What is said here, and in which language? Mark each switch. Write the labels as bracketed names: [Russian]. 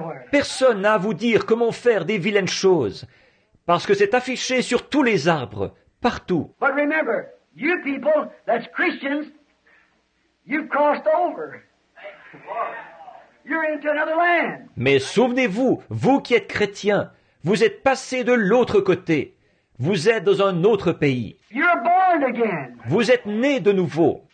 [French] Personne n'a à vous dire comment faire des vilaines choses, parce que c'est affiché sur tous les arbres, partout. [English] But remember, you people, that's Christians, you've crossed over. You're into another land. [French] Mais souvenez-vous, vous qui êtes chrétiens, vous êtes passés de l'autre côté. Vous êtes dans un autre pays. [English] You're born again. [French] Vous êtes nés de nouveau.